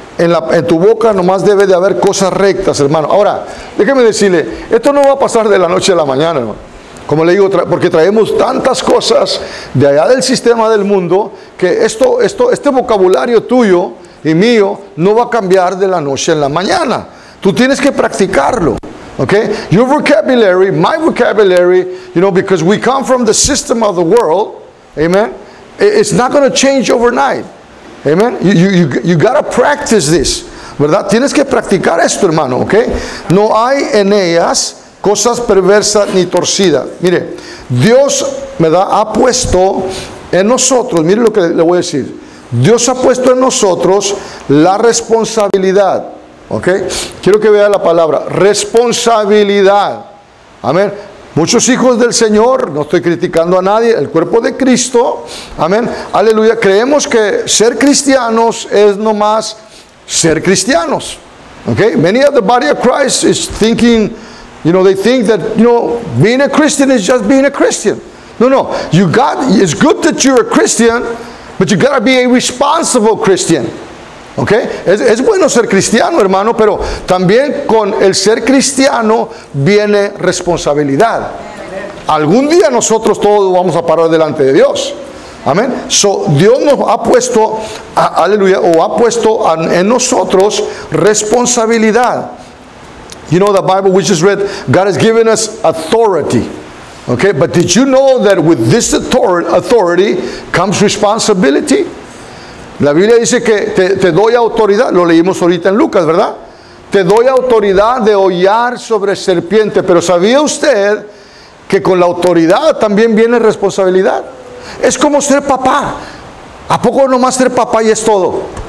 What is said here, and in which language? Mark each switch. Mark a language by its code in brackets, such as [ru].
[es] En tu boca nomás debe de haber cosas rectas, hermano. Ahora, déjeme decirle, esto no va a pasar de la noche a la mañana, hermano. Como le digo, porque traemos tantas cosas de allá del sistema del mundo, que este vocabulario tuyo y mío no va a cambiar de la noche a la mañana. Tú tienes que practicarlo. [en] Okay, your vocabulary, my vocabulary, you know, because we come from the system of the world, amen, it's not going to change overnight, amen. You got to practice this, [es] ¿verdad? Tienes que practicar esto, hermano, okay? No hay en ellas cosas perversas ni torcidas. Mire, Dios, ¿verdad?, ha puesto en nosotros, mire lo que le voy a decir, Dios ha puesto en nosotros la responsabilidad. Okay. Quiero que vea la palabra responsabilidad. Amén. Muchos hijos del Señor, no estoy criticando a nadie, el cuerpo de Cristo, amén, aleluya, creemos que ser cristianos es nomás ser cristianos. Okay. [en] Many of the body of Christ is thinking, you know, they think that, you know, being a Christian is just being a Christian. No, it's good that you're a Christian, but you got to be a responsible Christian. Okay. [es] Es bueno ser cristiano, hermano, pero también con el ser cristiano viene responsabilidad. Algún día nosotros todos vamos a parar delante de Dios. Amén. So, Dios nos ha puesto, en nosotros responsabilidad. [en] You know the Bible we just read, God has given us authority. Okay, but did you know that with this authority comes responsibility? [es] La Biblia dice que te doy autoridad, lo leímos ahorita en Lucas, ¿verdad? Te doy autoridad de hollar sobre serpiente, pero ¿sabía usted que con la autoridad también viene responsabilidad? Es como ser papá. ¿A poco nomás ser papá y es todo?